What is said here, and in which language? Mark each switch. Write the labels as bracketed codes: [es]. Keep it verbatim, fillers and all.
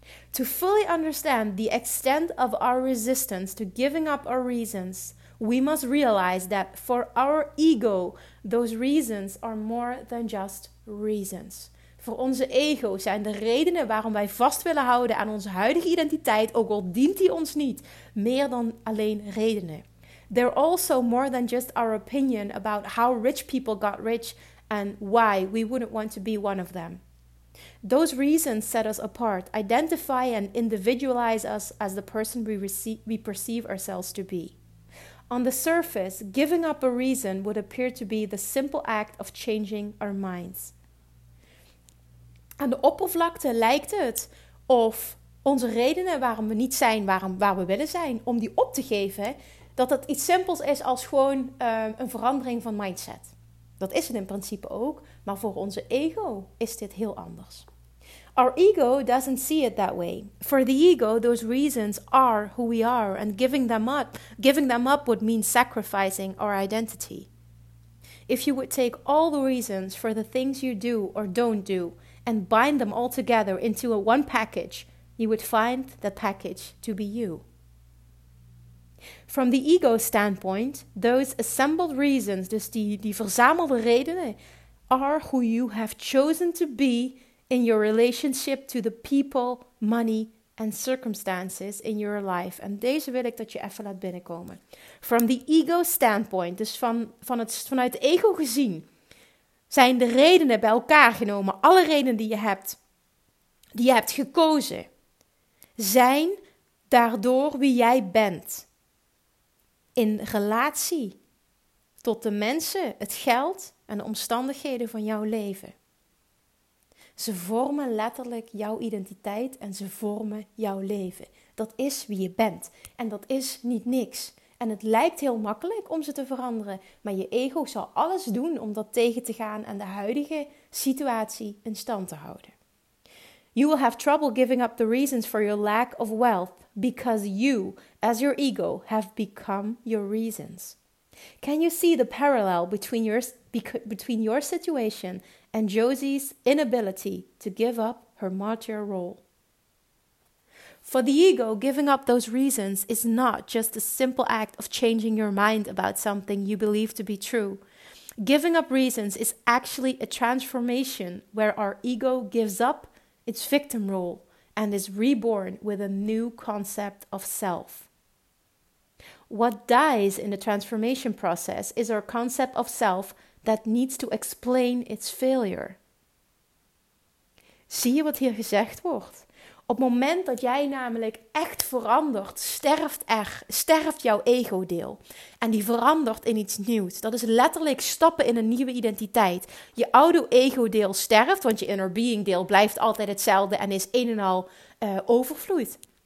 [en] To fully understand the extent of our resistance to giving up our reasons, we must realize that for our ego, those reasons are more than just reasons. [nl] Voor onze ego zijn de redenen waarom wij vast willen houden aan onze huidige identiteit, ook al dient die ons niet, meer dan alleen redenen. [en] They're also more than just our opinion about how rich people got rich and why we wouldn't want to be one of them. Those reasons set us apart, identify and individualize us as the person we, receive, we perceive ourselves to be. On the surface, giving up a reason would appear to be the simple act of changing our minds. [nl] Aan de oppervlakte lijkt het of onze redenen waarom we niet zijn waarom, waar we willen zijn, om die op te geven, dat dat iets simpels is als gewoon uh, een verandering van mindset. Dat is het in principe ook, maar voor onze ego is dit heel anders. [en] Our ego doesn't see it that way. For the ego, those reasons are who we are, and giving them up, giving them up would mean sacrificing our identity. If you would take all the reasons for the things you do or don't do and bind them all together into a one package, you would find that package to be you. From the ego standpoint, those assembled reasons, [nl] dus die, die verzamelde redenen, [en] are who you have chosen to be in your relationship to the people, money and circumstances in your life. [nl] En deze wil ik dat je even laat binnenkomen. [en] From the ego standpoint, [nl] dus van, van het, vanuit de ego gezien, zijn de redenen bij elkaar genomen, alle redenen die je hebt, die je hebt gekozen, zijn daardoor wie jij bent. In relatie tot de mensen, het geld en de omstandigheden van jouw leven. Ze vormen letterlijk jouw identiteit en ze vormen jouw leven. Dat is wie je bent en dat is niet niks. En het lijkt heel makkelijk om ze te veranderen, maar je ego zal alles doen om dat tegen te gaan en de huidige situatie in stand te houden. [en] You will have trouble giving up the reasons for your lack of wealth because you, as your ego, have become your reasons. Can you see the parallel between your, between your situation and Josie's inability to give up her martyr role? For the ego, giving up those reasons is not just a simple act of changing your mind about something you believe to be true. Giving up reasons is actually a transformation where our ego gives up its victim role and is reborn with a new concept of self. What dies in the transformation process is our concept of self that needs to explain its failure. [nl] Zie je wat hier gezegd wordt? Op het moment dat jij namelijk echt verandert, sterft er, sterft jouw ego-deel. En die verandert in iets nieuws. Dat is letterlijk stappen in een nieuwe identiteit. Je oude ego-deel sterft, want je inner being-deel blijft altijd hetzelfde en is een en al uh, overvloeid.